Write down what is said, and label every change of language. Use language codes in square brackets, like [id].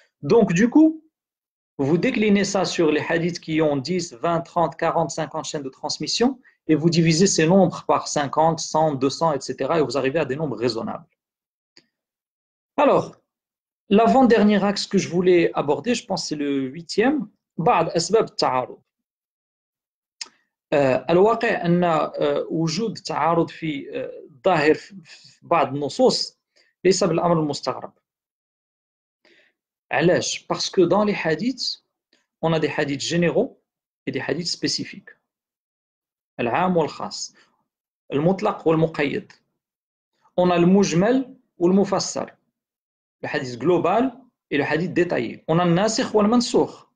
[fr] Donc du coup, vous déclinez ça sur les hadiths qui ont 10, 20, 30, 40, 50 chaînes de transmission et vous divisez ces nombres par 50, 100, 200, etc. et vous arrivez à des nombres raisonnables. Alors, l'avant-dernier axe que je voulais aborder, je pense que c'est le huitième. [ar] بعض أسباب التعارض. الواقع أن وجود تعارض في ظاهر بعض النصوص ليس بالأمر المستغرب. [fr] Parce que dans les hadiths, on a des hadiths généraux et des hadiths spécifiques. Al-aam ou al-khas. Al-mutlaq ou al-muqayyad. On a le mujmal ou le mufassal. Le hadith global et le hadith détaillé. On a le nasikh ou le mansukh.